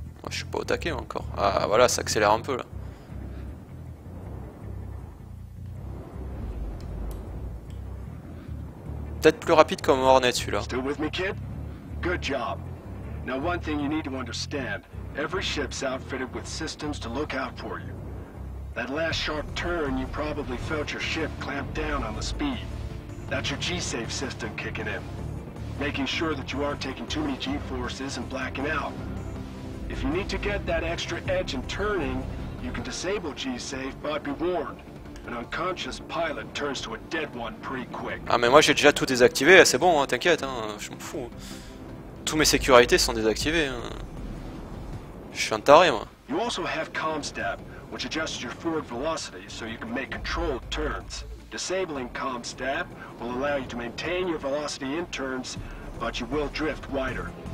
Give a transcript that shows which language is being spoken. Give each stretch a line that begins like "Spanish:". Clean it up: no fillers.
French: Je suis pas au taquet encore. Ah voilà, ça accélère un peu là. Peut-être plus rapide comme Hornet celui-là.
English: Still with me, kid? Good job. Now one thing you need to understand: every ship's outfitted with systems to look out for you. That last sharp turn, you probably felt your ship clamp down on the speed. That's your G-safe system kicking in, making sure that you aren't taking too many G-forces and blacking out. If you need to get that extra edge in turning, you can disable G-Save, but be warned, an unconscious pilot turns to a dead one pretty quick.
French: Ah mais moi j'ai déjà tout désactivé, c'est bon, hein, t'inquiète, hein, je m'en fous. Tous mes sécurités sont désactivées. Hein. Je suis un taré, moi.
English: You also have Comstab, which adjusts your forward velocity so you can make controlled turns. Disabling Comstab will allow you to maintain your velocity in turns, but you will drift wider.